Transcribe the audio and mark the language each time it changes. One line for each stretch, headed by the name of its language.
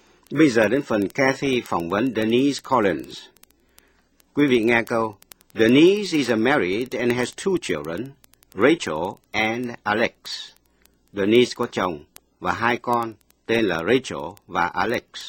Vietnamese: Bây giờ đến phần Kathy phỏng vấn Denise Collins. Quý vị nghe câu,
English: Denise is married and has two children, Rachel and Alex.
Vietnamese: Denise có chồng và hai con, tên là Rachel và Alex.